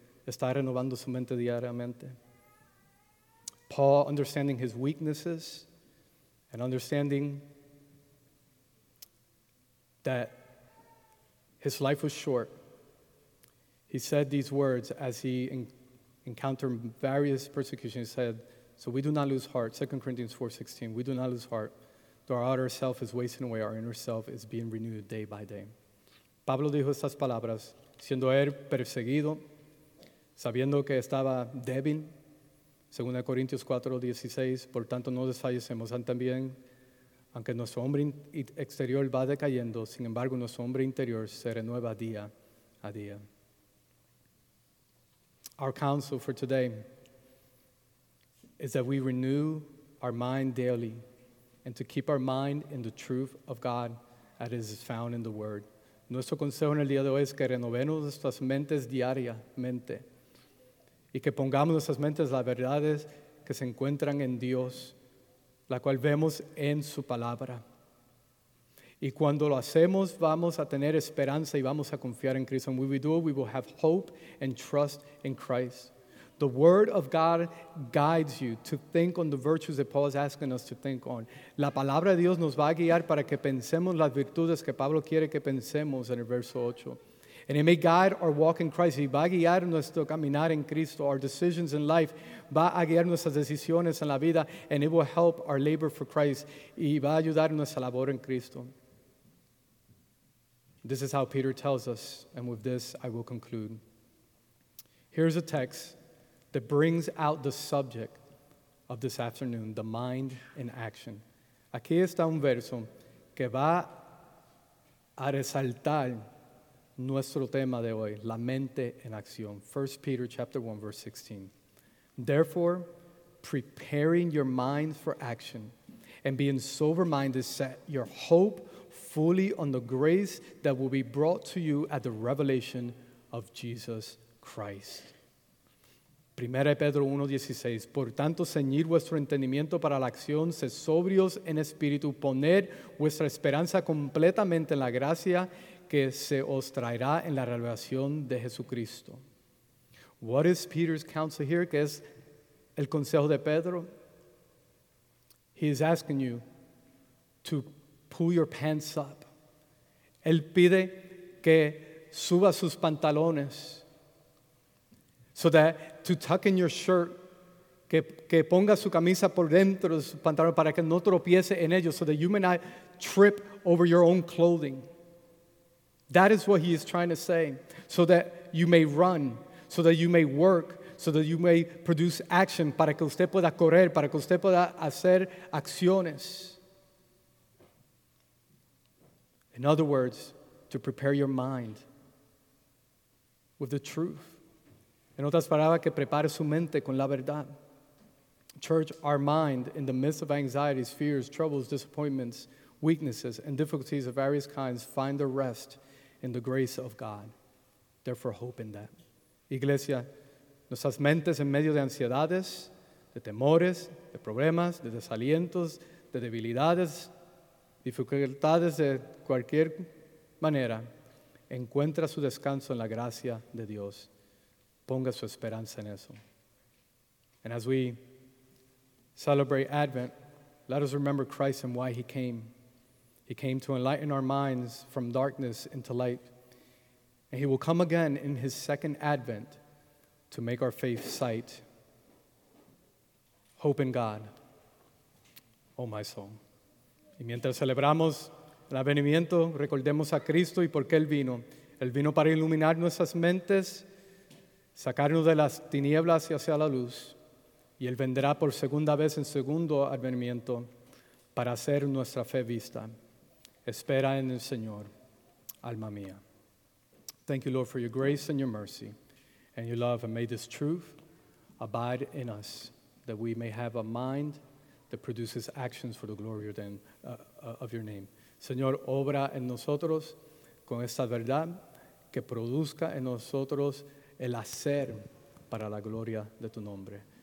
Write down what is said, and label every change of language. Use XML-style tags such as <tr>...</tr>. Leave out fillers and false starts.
<es>¿Está renovando su mente diariamente?</es> <en>Paul, understanding his weaknesses and understanding that his life was short, he said these words as he encountered various persecutions. He said, so we do not lose heart. 2 Corinthians 4:16. We do not lose heart, Our outer self is wasting away. Our inner self is being renewed day by day.</en> <es>Pablo dijo estas palabras, siendo él perseguido, sabiendo que estaba débil, 2 Corintios 4:16, por tanto no desfallecemos. También, aunque nuestro hombre exterior va decayendo, sin embargo nuestro hombre interior se renueva día a día.</es> <en>Our counsel for today is that we renew our mind daily and to keep our mind in the truth of God as is found in the Word.</en> <es>Nuestro consejo en el día de hoy es que renovemos nuestras mentes diariamente y que pongamos nuestras mentes las verdades que se encuentran en Dios, la cual vemos en su palabra. Y cuando lo hacemos, vamos a tener esperanza y vamos a confiar en Cristo.</es> <en>And when we do, we will have hope and trust in Christ. The Word of God guides you to think on the virtues that Paul is asking us to think on.</en> <es>La palabra de Dios nos va a guiar para que pensemos las virtudes que Pablo quiere que pensemos en el verso 8.</es> <en>And it may guide our walk in Christ.</en> <es>Y va a guiar nuestro caminar en Cristo.</es> <en>Our decisions in life.</en> <es>Va a guiar nuestras decisiones en la vida.</es> <en>And it will help our labor for Christ.</en> <es>Y va a ayudar nuestra labor en Cristo.</es> <en>This is how Peter tells us. And with this, I will conclude. Here's a text that brings out the subject of this afternoon, the mind in action.</en> <es>Aquí está un verso que va a resaltar nuestro tema de hoy, la mente en acción.</es> <en>1 Peter chapter 1, verse 16. Therefore, preparing your mind for action and being sober-minded, set your hope fully on the grace that will be brought to you at the revelation of Jesus Christ.</en> <es>1 Pedro 1:16. Por tanto, ceñid vuestro entendimiento para la acción, sed sobrios en espíritu, poned vuestra esperanza completamente en la gracia que se os traerá en la revelación de Jesucristo.</es> <en>What is Peter's counsel here?</en> <es>¿Qué es el consejo de Pedro?</es> <en>He is asking you to pull your pants up.</en> <es>Él pide que suba sus pantalones.</es> <en>So that to tuck in your shirt,</en> <es>que ponga su camisa por dentro de su pantalón para que no tropiece en ellos,</es> <en>so that you may not trip over your own clothing. That is what he is trying to say. So that you may run, so that you may work, so that you may produce action,</en> <es>para que usted pueda correr, para que usted pueda hacer acciones.</es> <en>In other words, to prepare your mind with the truth.</en> <es>En otras palabras, que prepare su mente con la verdad.</es> <en>Church, our mind, in the midst of anxieties, fears, troubles, disappointments, weaknesses, and difficulties of various kinds, find their rest in the grace of God. Therefore, hope in that.</en> <es>Iglesia, nuestras mentes en medio de ansiedades, de temores, de problemas, de desalientos, de debilidades, dificultades de cualquier manera, encuentra su descanso en la gracia de Dios. Ponga su esperanza en eso.</es> <en>And as we celebrate Advent, let us remember Christ and why he came. He came to enlighten our minds from darkness into light. And he will come again in his second advent to make our faith sight. Hope in God, oh my soul.</en> <es>Y mientras celebramos el advenimiento, recordemos a Cristo y por qué él vino. Él vino para iluminar nuestras mentes, sacarnos de las tinieblas y hacia la luz, y Él vendrá por segunda vez en segundo advenimiento para hacer nuestra fe vista. Espera en el Señor, alma mía.</es> <en>Thank you, Lord, for your grace and your mercy and your love, and may this truth abide in us, that we may have a mind that produces actions for the glory of your name.</en> <es>Señor, obra en nosotros con esta verdad que produzca en nosotros el hacer para la gloria de tu nombre.</es>